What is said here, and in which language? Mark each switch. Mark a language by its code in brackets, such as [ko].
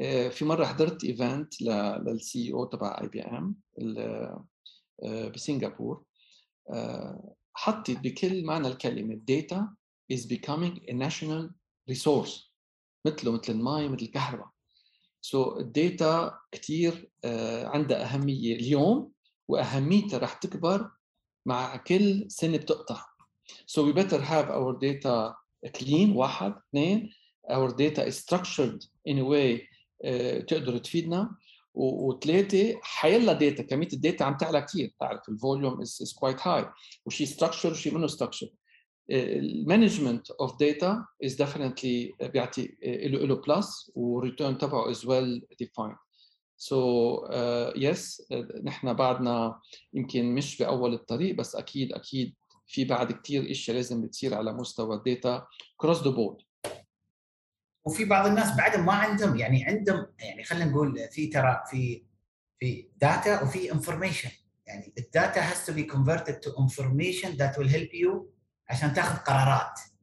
[ar] في مرة حضرت event للسي او تبع IBM بسنغافورة، حطت بكل معنى الكلمة [en] data is becoming a national resource، [ar] مثل الماء مثل الكهرباء. So data كتير عندها أهمية اليوم، وأهميتها رح تكبر مع كل سنة بتقطع. [en] So we better have our data clean، [ar] واحد. اثنين، [en] our data is structured in a way [ar] تقدر تفيدنا. وثلاثة، حيلا داتا، كمية الداتا عم تعلى كتير، تعرف الفوليوم [en] is quite high، [ar] وشي structure وشي منه structure. [en] Management of data is definitely [ar] بيعطي إلو [en] plus، وreturn تبعه is well defined. So yes، [ar] نحنا بعدنا يمكن مش بأول الطريق، بس أكيد في بعد كتير إشي لازم بتصير على مستوى الداتا [en] cross the board. [ar] وفي بعض الناس بعدهم ما عندهم، يعني عندهم، يعني خلينا نقول في داتا وفي انفورميشن، يعني الداتا [en] has to be converted to information that will help you [ar] عشان تاخذ قرارات.